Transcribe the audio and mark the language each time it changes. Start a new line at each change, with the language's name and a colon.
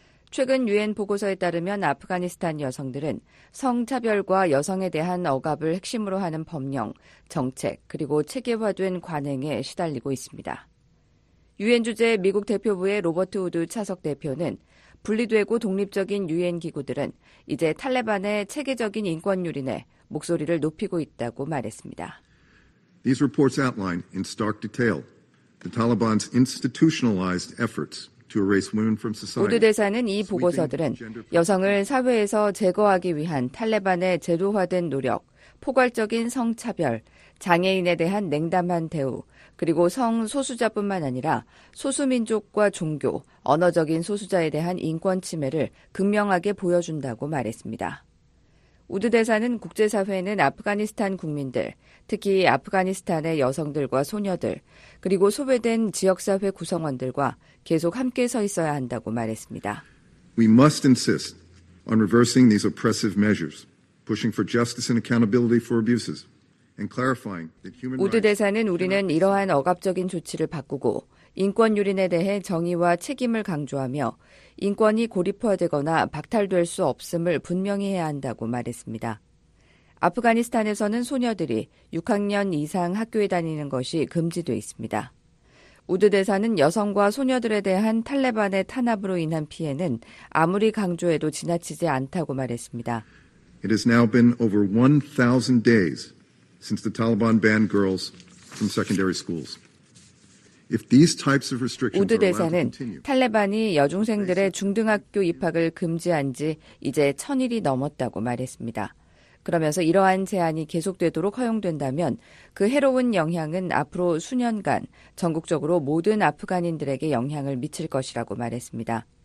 Korean: 최근 유엔 보고서에 따르면 아프가니스탄 여성들은 성차별과 여성에 대한 억압을 핵심으로 하는 법령, 정책 그리고 체계화된 관행에 시달리고 있습니다. 유엔 주재 미국 대표부의 로버트 우드 차석 대표는 분리되고 독립적인 유엔 기구들은 이제 탈레반의 체계적인 인권 유린에 목소리를 높이고 있다고 말했습니다.
English: These reports outline in stark detail the Taliban's institutionalized efforts.
Korean: 우드 대사는 이 보고서들은 여성을 사회에서 제거하기 위한 탈레반의 제도화된 노력, 포괄적인 성차별, 장애인에 대한 냉담한 대우, 그리고 성소수자뿐만 아니라 소수민족과 종교, 언어적인 소수자에 대한 인권 침해를 극명하게 보여준다고 말했습니다. 우드 대사는 국제사회는 아프가니스탄 국민들, 특히 아프가니스탄의 여성들과 소녀들, 그리고 소외된 지역사회 구성원들과 계속 함께 서 있어야 한다고 말했습니다.
English: We must insist on reversing these oppressive measures, pushing for justice and accountability for abuses, and clarifying that human rights.
Korean: 우드 대사는 우리는 이러한 억압적인 조치를 바꾸고 인권 유린에 대해 정의와 책임을 강조하며 인권이 고립화되거나 박탈될 수 없음을 분명히 해야 한다고 말했습니다. 아프가니스탄에서는 소녀들이 6학년 이상 학교에 다니는 것이 금지돼 있습니다. 우드 대사는 여성과 소녀들에 대한 탈레반의 탄압으로 인한 피해는 아무리 강조해도 지나치지 않다고 말했습니다.
English: It has now been over 1,000 days since the Taliban banned girls from secondary schools. If these types of restrictions
Korean: 우드 대사는 탈레반이 여중생들의 중등학교 입학을 금지한 지 이제 1,000일이 넘었다고 말했습니다. 그러면서 이러한 제한이 계속되도록 허용된다면 그 해로운 영향은 앞으로 수년간 전국적으로 모든 아프간인들에게 영향을 미칠 것이라고 말했습니다.